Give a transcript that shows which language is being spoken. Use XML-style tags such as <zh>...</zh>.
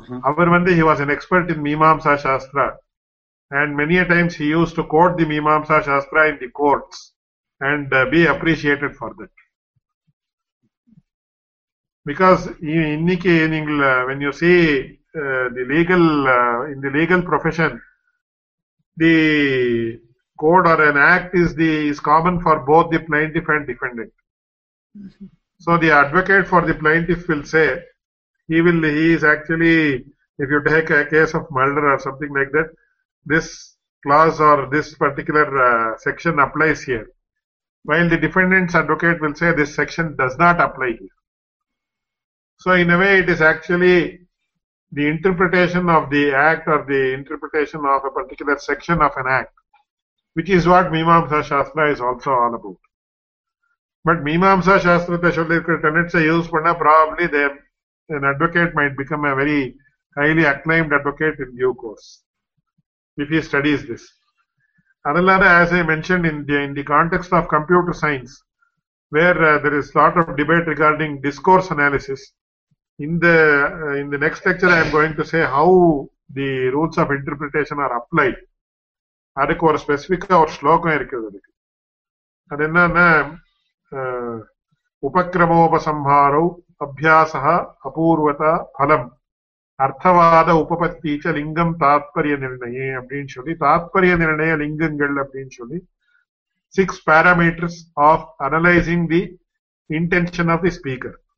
<ta>அவர் வந்து</ta> <en>he was an expert in Mimamsa Shastra and many a times he use to quote the Mimamsa Shastra in the courts and be appreciated for that because</en> <ta>இன்னைக்கு நீங்கள்</ta> <en>When you see in the legal profession, the code or an act is common for both the plaintiff and defendant. So the advocate for the plaintiff will say He is actually, if you take a case of murder or something like that, this clause or this particular section applies here. While the defendant's advocate will say this section does not apply here. So in a way, it is actually the interpretation of the act or the interpretation of a particular section of an act, which is what Mimamsa Shastra is also all about. But Mimamsa Shastra, the Shulikra tenets are used for now, probably an advocate might become a very highly acclaimed advocate in due course, if he studies this. Another, as I mentioned, in the context of computer science, where there is a lot of debate regarding discourse analysis, in the next lecture I am going to say how the rules of interpretation are applied.</en> <ta>அதுக்கு ஒரு ஸ்பெசிஃபிக்காக ஒரு ஸ்லோகம் இருக்குது. அது என்னன்னா</ta> <sa>உபக்ரமோபசம்ஹாரோ அபியாச அபூர்வதா ஃபலம் அர்த்தவாத உபபத்தீச்ச லிங்கம் தாத்பரிய நிர்ணயம்</sa> <ta>அப்படின்னு சொல்லி, தாத்பரிய நிர்ணய லிங்கங்கள் அப்படின்னு சொல்லி</ta> <en>6 parameters of analysing the intention of the speaker.</en>